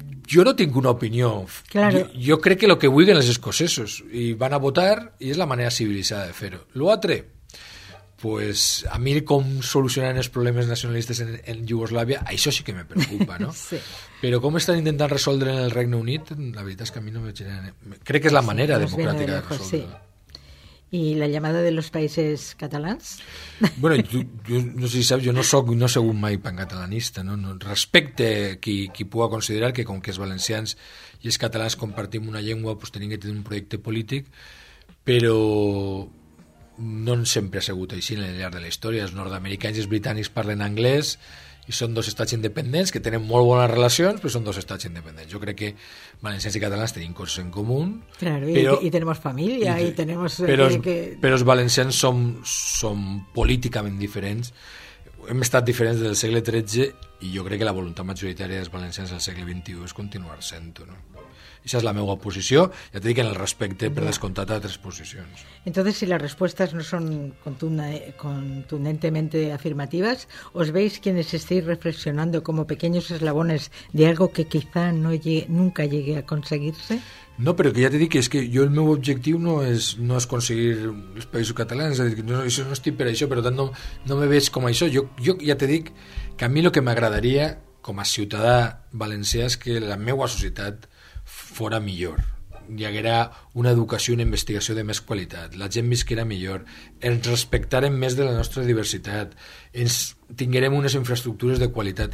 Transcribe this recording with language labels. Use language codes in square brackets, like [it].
[ca] Jo no tinc una opinió. Jo crec que el que vulguen els escocesos i van a votar i és la manera civilitzada de fer-ho. L'altre, pues, a mi com solucionaran els problemes nacionalistes en Iugoslàvia, això sí que me preocupa, no? Sí. Però com estan intentant resoldre en el Regne Unit, la veritat és que a mi no me generen... Crec que és la manera democràtica de resoldre-ho. Sí. [es] ¿Y la llamada de los países catalans? Bueno, yo no sé si sabes, yo no soy un mai pancatalanista, ¿no? [ca] Respecte qui pugui considerar que com que els valencians i els catalans compartim una llengua, pues tenim que tenir un projecte polític, però no sempre ha sigut així en el llarg de la història. Els nord-americans i els britànics parlen anglès i són dos estats independents que tenen molt bones relacions, però són dos estats independents. Jo crec que valencians i catalans tenim coses en comú. Claro, però, i tenim família, i tenim... Però els valencians som políticament diferents. Hem estat diferents des del segle XIII i jo crec que la voluntat majoritària dels valencians al segle XXI és continuar sent-ho, no? Esa és la meva posició. Ja t'he dit que en el respecte per descomptat a altres posicions. [es] Entonces, [ca] si les respostes no són [es] contundentemente afirmativas, ¿os veis quienes estéis reflexionando como pequeños eslabones de algo que quizá no nunca llegue a conseguirse? [ca] No, però que ja t'he dit que és que jo el meu objectiu no és aconseguir els països catalans, és a dir, que no estic per això, però tant no me veig com això. Jo ja t'he dit que a mi el que m'agradaria com a ciutadà valencià és que la meva societat fora millor, hi haguera una educació i una investigació de més qualitat, la gent visquera millor, ens respectarem més de la nostra diversitat, ens tinguerem unes infraestructures de qualitat.